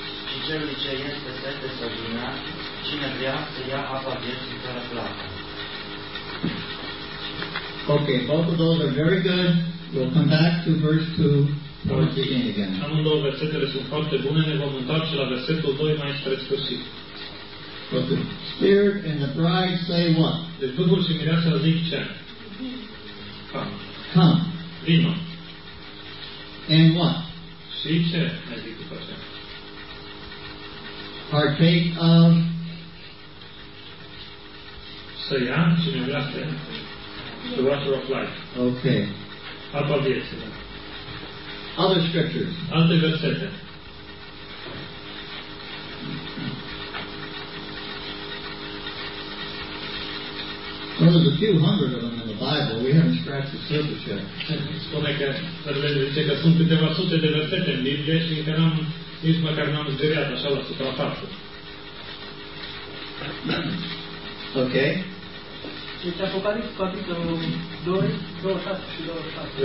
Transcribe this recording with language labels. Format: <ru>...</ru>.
<ro>Și celui ce este sete să vină, cine vrea să ia apa vieții care plată.</ro> <en>Ok, both of those are very good. We'll come back to verse 2.</en> <ro>Amândouă versetele sunt foarte bune, ne vom întoarce la versetul 2 mai spre sfârșit.</ro> <en>But the Spirit and the Bride say what?</en> <ro>Deci Duhul și Mireasa zic ce?</ro> <en>Come.</en> <ro>Vino.</ro> <en>And what?</en> <ro>Și ce? Mai zic după ce?</ro> <en>Partake of?</en> <ro>Să ia cine vrea să ia.</ro> <en>The water of life. Okay.</en> <ro>Apa vieții.</ro> <en>Other scriptures.</en> <ro>Alte versete.</ro> <en>Well, there's a few hundred of them in the Bible. We haven't scratched the surface yet.</en> <ro>Spune că, zice că sunt câteva sute de versete în Biblie și încă n-am, nici măcar n-am zgâriat așa la suprafață.</ro> <en>Ok.</en> <ro>Deci Apocalipsa, capitolul 2, 26 și 27.</ro>